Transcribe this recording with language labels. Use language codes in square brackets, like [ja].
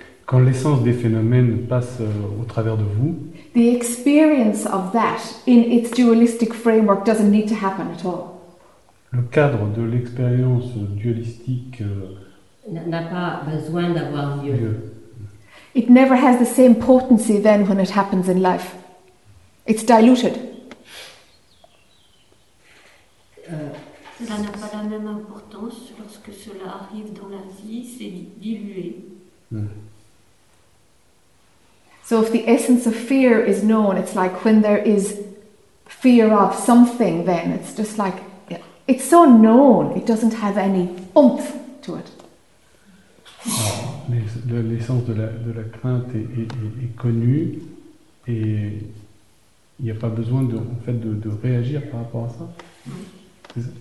[fr] Quand l'essence des phénomènes passe au travers de vous. [en] The experience of that in its dualistic framework doesn't need to happen at all. [fr] Le cadre de l'expérience dualistique n'a pas besoin d'avoir lieu. [en] It never has the same potency then when it happens in life. It's diluted. [fr] Ça n'a pas la même importance lorsque cela arrive dans la vie, c'est dilué. [en] So if the essence of fear is known, it's like when there is fear of something, then it's just like, it's so known, it doesn't have any oomph to it. [fr] Alors, l'essence de la crainte est connue, et il n'y a pas besoin de réagir par rapport à ça.